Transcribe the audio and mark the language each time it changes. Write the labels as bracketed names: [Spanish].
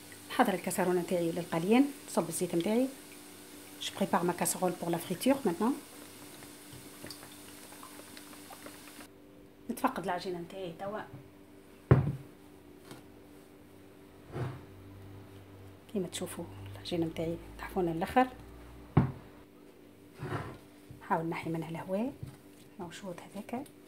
[Arabic] حضر الكاسرونه تاعي للقليان، صب الزيت نتاعي. [French] Je prépare ma casserole pour la friture maintenant. [Arabic] نتفقد العجينه نتاعي توا كيما تشوفوا العجينه نتاعي تحفونه الاخر، حاول نحي منها الهواء موشوط هذاك.